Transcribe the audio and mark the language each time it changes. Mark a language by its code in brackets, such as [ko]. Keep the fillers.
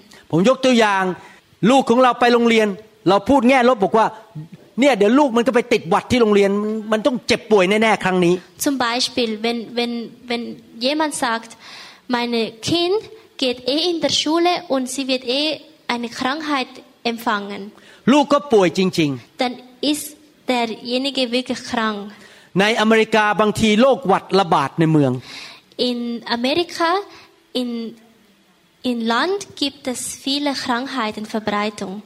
[th] ผมยกตัวอย่างลูกของเราไปโรงเรียน เราพูดแง่ลบบอกว่าเนี่ยเดี๋ยวลูกมันก็ไปติดหวัดที่โรงเรียนมันต้องเจ็บป่วยแน่ๆครั้งนี้ [de] zum Beispiel wenn wenn wenn jemand sagt meine Kind geht eh in der Schule und sie wird eh eine Krankheit empfangen [th] ลูกก็ป่วยจริง [de] ๆ dann ist derjenige wirklich krank [th] ในอเมริกาบางทีโรคหวัดระบาดในเมือง [de] in Amerika in In Land gibt es viele Krankheiten, Verbreitung.